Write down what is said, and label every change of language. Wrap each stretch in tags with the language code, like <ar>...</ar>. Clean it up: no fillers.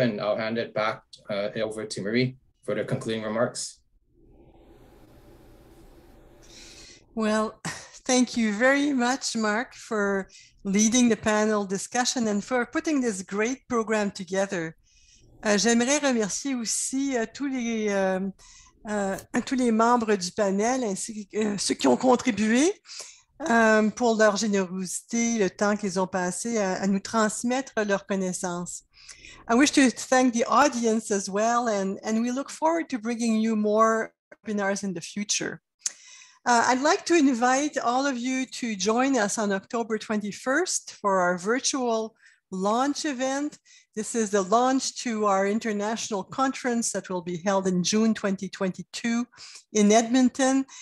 <en>And I'll hand it back over to Marie for the concluding remarks. Well, thank you very much, Mark, for leading the panel discussion and for putting this great program together.</en> <fr>J'aimerais remercier aussi tous les membres du panel ainsi que ceux qui ont contribué. pour leur générosité, le temps qu'ils ont passé à nous transmettre leurs connaissances.</fr> <en>I wish to thank the audience as well, and we look forward to bringing you more webinars in the future. I'd like to invite all of you to join us on October 21st for our virtual launch event. This is the launch to our international conference that will be held in June 2022 in Edmonton.</en>